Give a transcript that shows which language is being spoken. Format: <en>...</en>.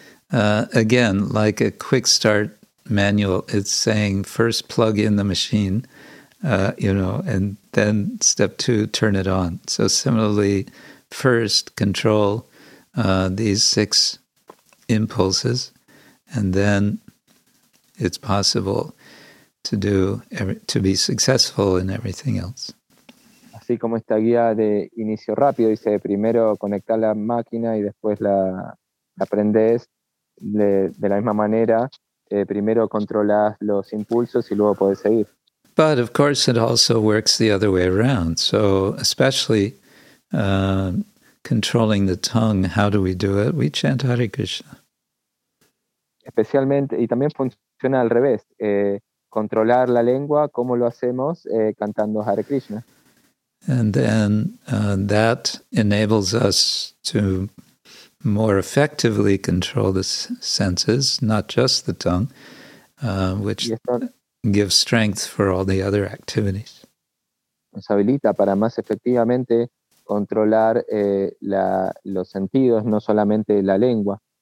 <en>Again, like a quick start manual, it's saying first plug in the machine, and then step two, turn it on. So similarly, first control these six impulses, and then it's possible to do to be successful in everything else.</en> <es>Así como esta guía de inicio rápido dice primero conectar la máquina y después la aprendes de la misma manera, primero controlas los impulsos y luego puedes seguir.</es> <en>But of course it also works the other way around. So especially controlling the tongue, how do we do it? We chant Hare Krishna.</en> <es>Especialmente y también funciona al revés. Controlar la lengua, ¿cómo lo hacemos? Cantando Hare Krishna.</es> <en>And then that enables us to more effectively control the senses, not just the tongue, which gives strength for all the other activities.</en> <es>Nos habilita para más efectivamente controlar los sentidos, no solamente la lengua.</es>